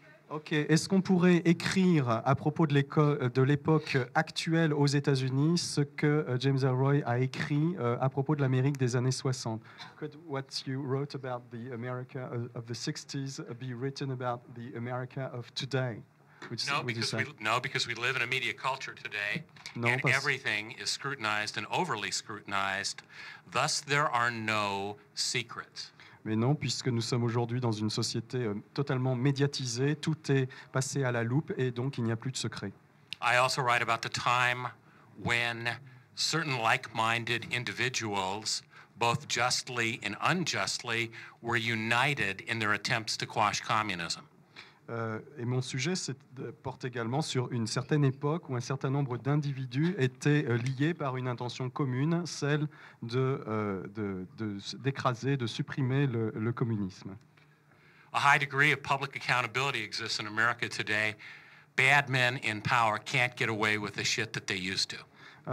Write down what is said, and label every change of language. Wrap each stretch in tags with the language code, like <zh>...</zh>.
<fr>Ok, est-ce qu'on pourrait écrire à propos de l'époque actuelle aux États-Unis ce que James Ellroy a écrit à propos de l'Amérique des années 60?</fr> <en>Could what you wrote about the America of the 60s be written about the America of today? Because we live in a media culture today,</en> <fr>non,</fr> <en>and everything is scrutinized and overly scrutinized, thus there are no secrets.</en> <fr>Mais non, puisque nous sommes aujourd'hui dans une société totalement médiatisée, tout est passé à la loupe et donc il n'y a plus de secret.</fr> <en>I also write about the time when certain like-minded individuals, both justly and unjustly, were united in their attempts to quash communism.</en> <fr>Et mon sujet porte également sur une certaine époque où un certain nombre d'individus étaient liés par une intention commune, celle d'écraser, de supprimer le communisme.</fr> <en>A high degree of public accountability exists in America today. Bad men in power can't get away with the shit that they used to.</en>